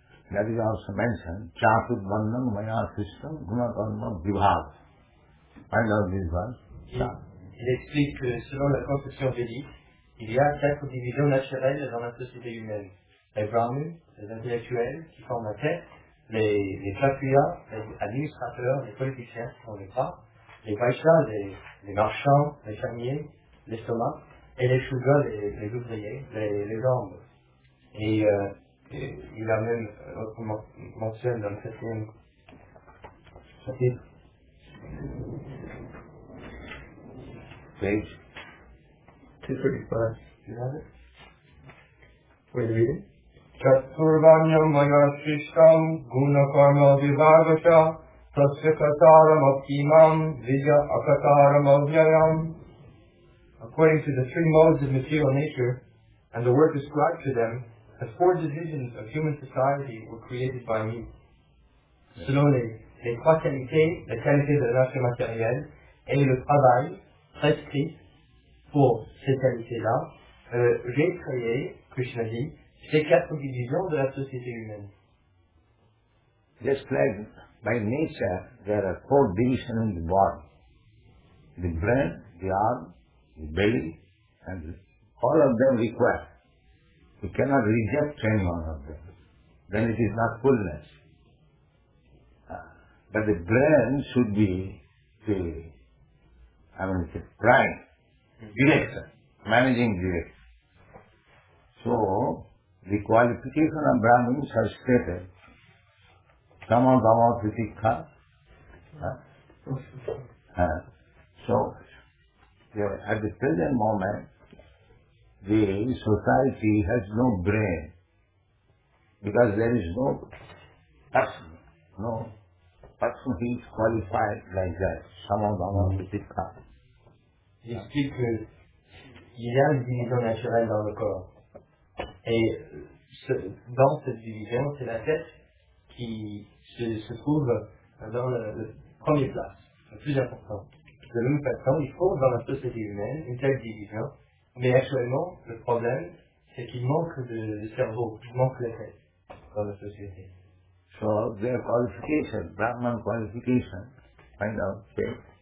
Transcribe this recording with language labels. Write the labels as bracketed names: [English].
[English] That is also mentioned, [Sanskrit] Chatur Vannam Maya Sistam Gunakarma Vibhav. [English] Find out this one. [French] Il explique que selon la conception védique, il y a quatre divisions naturelles dans la société humaine. Les brahmins, les intellectuels qui forment la tête, les kshatriyas, les administrateurs, les politiciens qui font les pas, les vaishyas, les marchands, les fermiers, l'estomac, et les shudras, les ouvriers, les jambes. Et il a même autrement mentionné dans le septième chapitre. Page 235. [English] Wait a minute. [Sanskrit] Chaturvanyam vayasrishtam guna karma vibhagasya tasya kataram akimam vidya akataram avyayam. [English] According to the three modes of material nature and the work described to them, the four divisions of human society were created by me. Slowly, [French] les trois qualités, la qualité de l'âge matériel et le travail prescrit pour ces qualités-là, j'ai créé, Krishna dit, ces quatre divisions de la société humaine. [English] Just like by nature, there are four divisions in the body. The brain, the arm, the belly, and all of them require. You cannot reject any one of them. Then it is not fullness. But the brain should be the prime director, managing director. So, the qualification of Brahmins are stated, [Sanskrit] Tama Dama Pritikha. [English] So, at the present moment, the society has no brain, because there is no person, no person who is qualified like that, Samadhamma. [French] Il explique qu'il y a une division naturelle dans le corps. Et dans cette division, c'est la tête qui se trouve dans le premier place, le plus important. De même façon, il faut dans la société humaine une telle division. Mais actuellement, le problème, c'est qu'il manque de cerveau, il manque la tête dans la société. [English] So their qualification, Brahman qualification, find out, okay?